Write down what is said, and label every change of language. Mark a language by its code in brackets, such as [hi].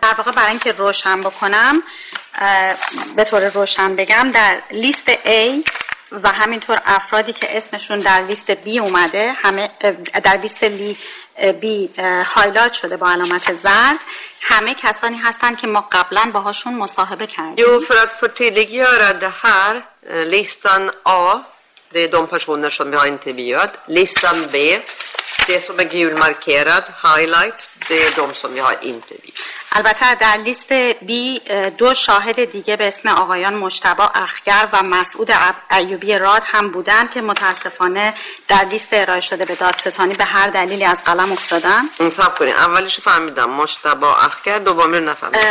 [fa] در واقع برای اینکه روشن بکنم، به طور روشن بگم، در لیست A و همینطور افرادی که اسمشون در لیست بی اومده، همه در لیست بی هایلایت شده با علامت زرد، همه کسانی هستن که ما قبلا باهاشون مصاحبه کردیم. [sv] Jo, för att förtydliggöra det här, listan A, det är de personer som vi har intervjuat. Listan B, det som är gul markerad, highlight, det är de som vi har intervjuat. [fa] البته در لیست بی دو شاهد دیگه به اسم آقایان مشتبه اخگر و مسعود ایوبی راد هم بودن که متاسفانه در لیست ارائه شده به دادستانی به هر دلیلی از قلم افتادن. انتخاب کنید، اولیش فهمیدم مشتبه اخگر، دومی رو نفهمیدم.